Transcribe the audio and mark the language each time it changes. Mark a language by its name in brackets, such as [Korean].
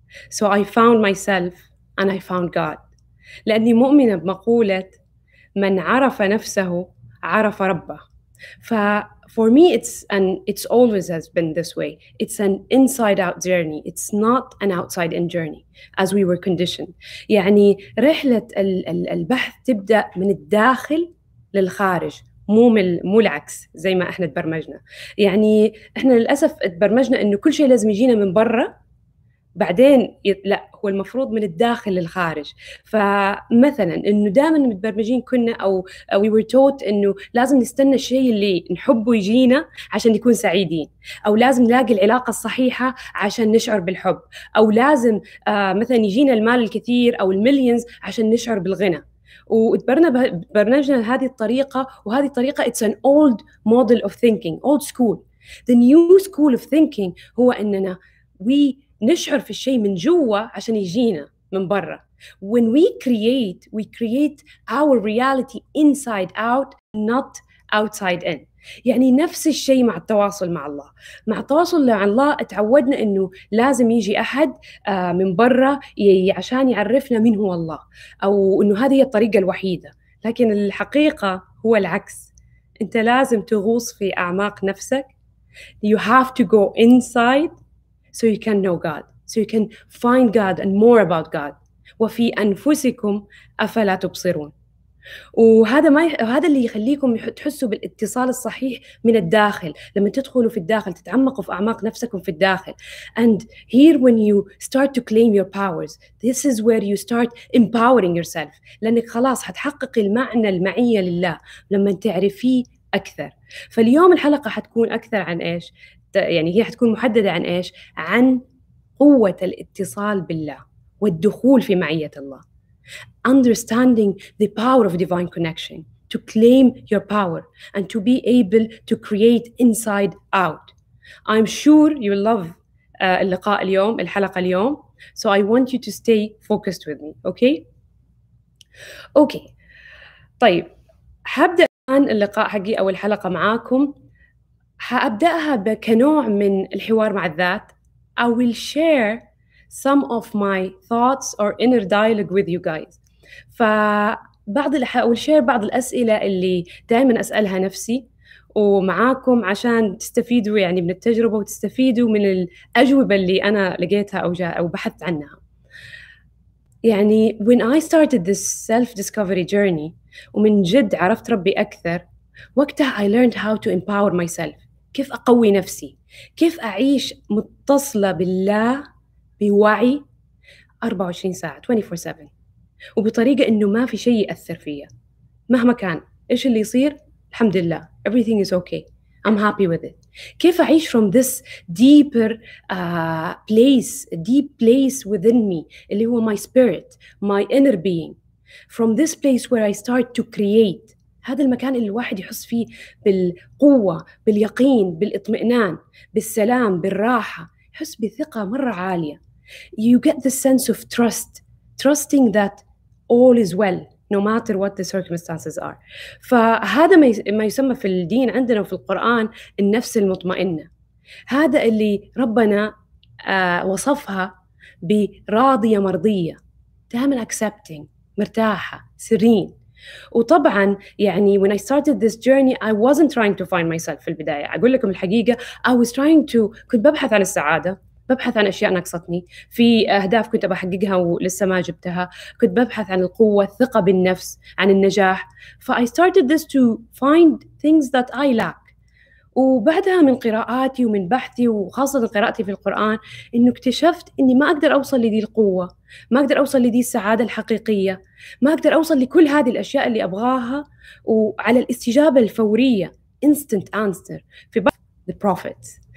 [English] So I found myself and I found God. [Arabic] لأني مؤمنة بمقولة من عرف نفسه عرف ربه. [English] For me, it's always has been this way. It's an inside-out journey. It's not an outside-in journey, as we were conditioned. [Arabic] يعني رحلة البحث تبدأ من الداخل للخارج, مو العكس زي ما إحنا تبرمجنا. يعني إحنا للأسف تبرمجنا إنه كل شيء لازم يجينا من برا. بعدين لا, هو المفروض من الداخل للخارج. فمثلا انه دائما متبرمجين كنا او we were taught انه لازم نستنى الشيء اللي نحبه يجينا عشان نكون سعيدين, او لازم نلاقي العلاقة الصحيحة عشان نشعر بالحب, او لازم مثلا يجينا المال الكثير او الميليونز عشان نشعر بالغنى. [English] وبرمجنا هذه الطريقة, وهذه الطريقة it's an old model of thinking, old school. [Arabic] The new school of thinking هو اننا we نشعر في الشيء من جوا عشان يجينا من برا. [English] When we create our reality inside out, not outside in. [Arabic] يعني نفس الشيء مع التواصل مع الله. مع التواصل مع الله اتعودنا انه لازم يجي احد من برا عشان يعرفنا من هو الله, او انه هذه هي الطريقة الوحيدة. لكن الحقيقة هو العكس. انت لازم تغوص في اعماق نفسك. [English] You have to go inside so you can know God, so you can find God and more about God. [Arabic] وفي أنفسكم أفلا تبصرون. وهذا اللي يخليكم تحسوا بالاتصال الصحيح من الداخل. لما تدخلوا في الداخل تتعمقوا في أعماق نفسكم في الداخل. [English] And here when you start to claim your powers, this is where you start empowering yourself. [Arabic] لأنك خلاص هتحقق المعنى المعية لله لما تعرفي أكثر. فاليوم الحلقة هتكون أكثر عن إيش؟ يعني هي حتكون محددة عن إيش؟ عن قوة الاتصال بالله والدخول في معية الله. [English] Understanding the power of divine connection, to claim your power and to be able to create inside out. I'm sure you love اللقاء اليوم, الحلقة اليوم. So I want you to stay focused with me, okay? Okay. [Arabic] طيب, هبدأ الآن اللقاء حقي أو الحلقة معاكم. هأبدأها كنوع من الحوار مع الذات. [English] I will share some of my thoughts or inner dialogue with you guys. [Arabic] فبعض I will share بعض الأسئلة اللي دائماً أسألها نفسي ومعاكم عشان تستفيدوا يعني من التجربة وتستفيدوا من الأجوبة اللي أنا لقيتها أو بحثت عنها. [English] يعني when I started this self-discovery journey ومن جد عرفت ربي أكثر, وقتها I learned how to empower myself. [Arabic] كيف أقوي نفسي؟ كيف أعيش متصلة بالله بوعي 24 ساعة 24/7 وبطريقة إنه ما في شيء يأثر فيها مهما كان إيش اللي يصير؟ الحمد لله everything is okay, I'm happy with it. [English] كيف أعيش from this deeper place, deep place within me اللي هو my spirit, my inner being, from this place where I start to create. [Arabic] هذا المكان اللي الواحد يحس فيه بالقوة, باليقين, بالإطمئنان, بالسلام, بالراحة, يحس بثقة مرة عالية. [English] You get the sense of trust, trusting that all is well, no matter what the circumstances are. [Arabic] فهذا ما يسمى في الدين عندنا وفي القرآن النفس المطمئنة. هذا اللي ربنا وصفها براضية مرضية, دائما accepting ما [English] مرتاحة سيرين. وطبعا يعني when I started this journey I wasn't trying to find myself في البداية. [Arabic] أقول لكم الحقيقة I was trying to كنت ببحث عن السعادة، ببحث عن أشياء نقصتني، في أهداف كنت أحققها ولسه ما جبتها، كنت ببحث عن القوة، الثقة بالنفس، عن النجاح. [English] فI started this to find things that I lack. [Arabic] وبعدها من قراءاتي ومن بحثي وخاصة قراءتي في القرآن إنه اكتشفت إني ما أقدر أوصل لذي القوة، ما أقدر أوصل لذي السعادة الحقيقية، ما أقدر أوصل لكل هذه الأشياء اللي أبغاها وعلى الاستجابة الفورية instant answer في the prophet.